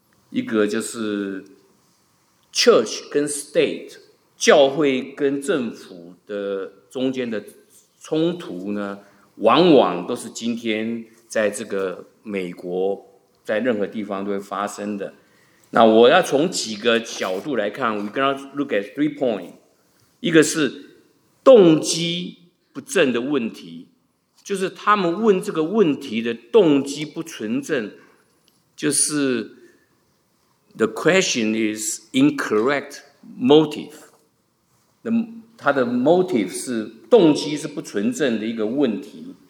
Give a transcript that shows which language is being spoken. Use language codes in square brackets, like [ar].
[zh] 一个就是 church 跟 state， 教会跟政府的中间的冲突呢，往往都是今天在这个美国，在任何地方都会发生的。那我要从几个角度来看， [en] we're gonna look at three points。 [zh] 一个是动机不正的问题，就是他们问这个问题的动机不纯正，就是 [en] the question is incorrect motive， [zh] 他的 motive 是动机是不纯正的一个问题。